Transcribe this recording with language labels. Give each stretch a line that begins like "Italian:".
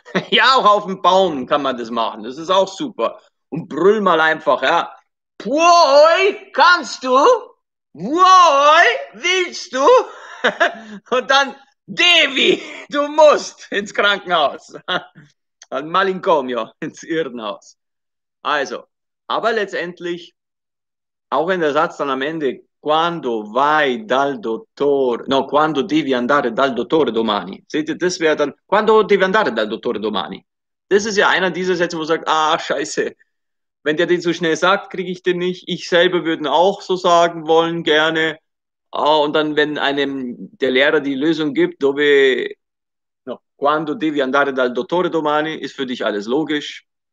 German: Ja, auch auf den Baum kann man das machen. Das ist auch super. Und brüll mal einfach, ja.
Italian: Puoi,
German: kannst du?
Italian: Vuoi,
German: willst du? Und dann
Italian: Devi,
German: du musst ins Krankenhaus.
Italian: Al Malincomio,
German: ins Irrenhaus. Also, aber letztendlich, auch wenn der Satz dann am Ende,
Italian: quando vai dal dottore, no, quando devi andare dal dottore domani,
German: seht ihr, das wäre dann,
Italian: quando devi andare dal dottore domani.
German: Das ist ja einer dieser Sätze, wo man sagt, ah, scheiße, wenn der den so schnell sagt, kriege ich den nicht. Ich selber würde auch so sagen wollen, gerne. Oh, und dann, wenn einem der Lehrer die Lösung gibt,
Italian: dove, no, quando devi andare dal dottore domani,
German: ist für dich alles logisch.